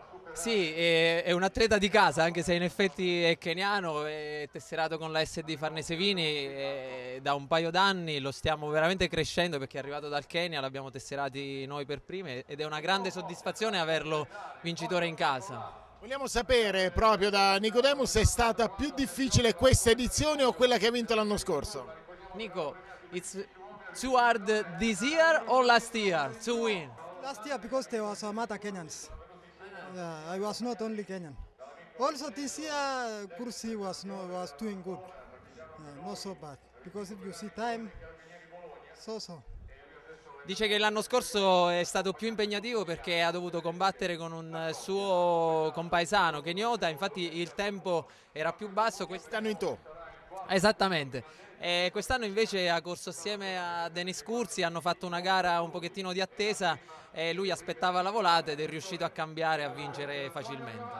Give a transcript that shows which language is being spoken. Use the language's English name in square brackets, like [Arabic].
[Italian] Sì, è un atleta di casa, anche se in effetti è keniano, è tesserato con la SD Farnese Vini da un paio d'anni, lo stiamo veramente crescendo perché è arrivato dal Kenya, l'abbiamo tesserati noi per prime ed è una grande soddisfazione averlo vincitore in casa. Vogliamo sapere proprio da Nicodemus se è stata più difficile questa edizione o quella che ha vinto l'anno scorso. [English] Nico, it's too hard this year or last year to win? Last year because there was a lot of Kenyans. Yeah, I was not only Kenyan. Also this year Kursi was doing good. Yeah, not so bad. Because if you see time, so. [Italian] Dice che l'anno scorso è stato più impegnativo perché ha dovuto combattere con un suo compaesano keniota, infatti il tempo era più basso. Quest'anno in tu. Esattamente. E quest'anno invece ha corso assieme a Denis Kurzi, hanno fatto una gara un pochettino di attesa e lui aspettava la volata ed è riuscito a cambiare, a vincere facilmente.